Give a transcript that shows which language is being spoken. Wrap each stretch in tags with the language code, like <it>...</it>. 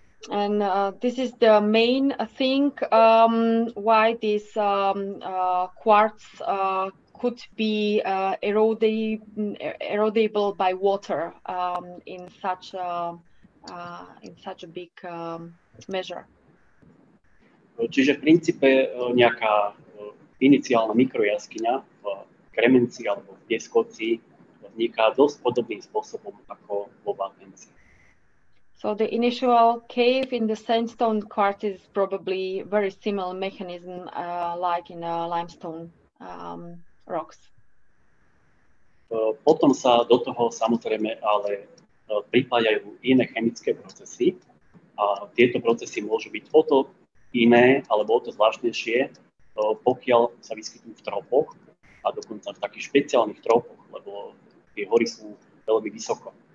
<en>And this is the main thing why this quartz could be erodible by water in such a big measure.</en> <sk>Čiže v princípe nejaká iniciálna mikrojaskyňa v kremenci alebo v pieskoci vzniká dosť podobným spôsobom ako vo vápenci.</sk> <en>So the initial cave in the sandstone quartz is probably very similar mechanism like in a limestone rocks.</en> <sk>Potom sa do toho samozrejme ale pripájajú iné chemické procesy. A tieto procesy môžu byť o to iné, alebo o to zvláštnejšie, pokiaľ sa vyskytujú v tropoch, a dokonca v takých špeciálnych tropoch, lebo tie hory sú veľmi vysoko.</sk>